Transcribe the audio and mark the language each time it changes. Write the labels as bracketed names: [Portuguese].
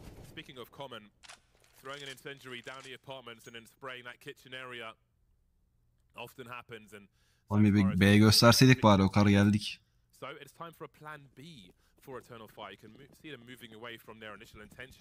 [English] Speaking of common, throwing an incendiary down the apartments and then spraying that kitchen area often happens. [Turkish] Oğlum bir B gösterseydik bari, o kadar geldik. [English] So it's time for a plan B for Eternal Fire. You can see them moving away from their initial intention.